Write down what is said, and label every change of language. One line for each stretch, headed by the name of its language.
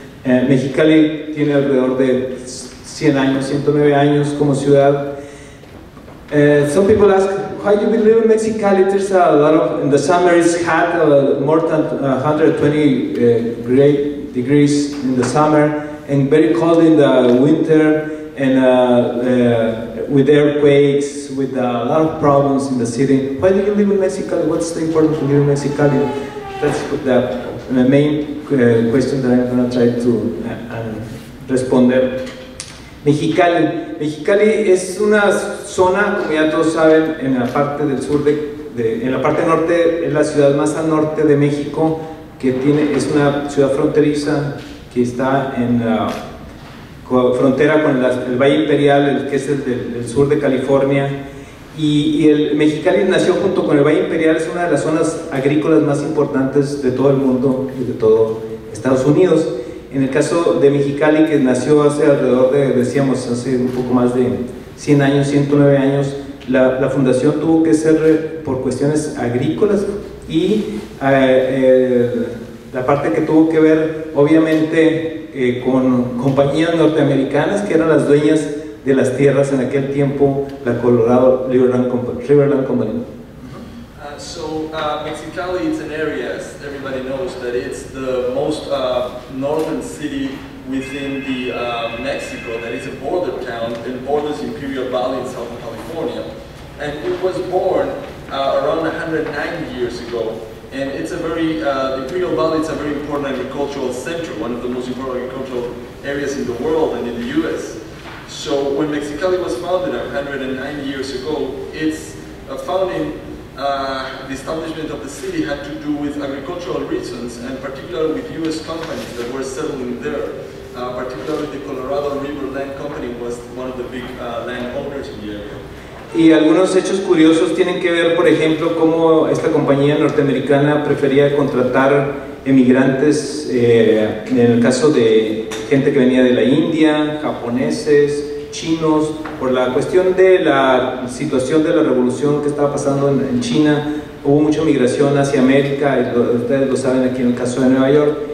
Spanish: Mexicali tiene alrededor de 100 años, 109 años como ciudad.
English: Some people ask, why you live in Mexicali? There's a lot of, in the summer it's hot, more than 120 degrees in the summer, and very cold in the winter, and with earthquakes, with a lot of problems in the city. Why do you live in Mexicali? What's the importance to live in Mexicali? That's that. The main question that I'm going to try to responder. Mexicali.
Spanish: Mexicali es una zona, como ya todos saben, en la parte del sur, en la parte norte, es la ciudad más al norte de México, que tiene, es una ciudad fronteriza que está en la frontera con el Valle Imperial, que es el del sur de California. Y el Mexicali nació junto con el Valle Imperial, es una de las zonas agrícolas más importantes de todo el mundo y de todo Estados Unidos. En el caso de Mexicali, que nació hace alrededor de, decíamos, hace un poco más de 100 años, 109 años, la fundación tuvo que ser por cuestiones agrícolas y la parte que tuvo que ver, obviamente, con compañías norteamericanas que eran las dueñas de las tierras en aquel tiempo, la Colorado Riverland Company.
English: Mexicali is an area, as everybody knows, that it's the most northern city within the Mexico, that is a border town and borders Imperial Valley in Southern California. And it was born around 190 years ago. And it's a very, Imperial Valley is a very important agricultural center, one of the most important agricultural areas in the world and in the US. So when Mexicali was founded 109 years ago, its founding, the establishment of the city had to do with agricultural reasons, and particularly with US companies that were settling there. Particularly the Colorado River Land Company was one of the big landowners in the area.
Spanish: Y algunos hechos curiosos tienen que ver, por ejemplo, cómo esta compañía norteamericana prefería contratar emigrantes, en el caso de gente que venía de la India, japoneses, chinos, por la cuestión de la situación de la revolución que estaba pasando en China, hubo mucha migración hacia América, y ustedes lo saben aquí en el caso de Nueva York,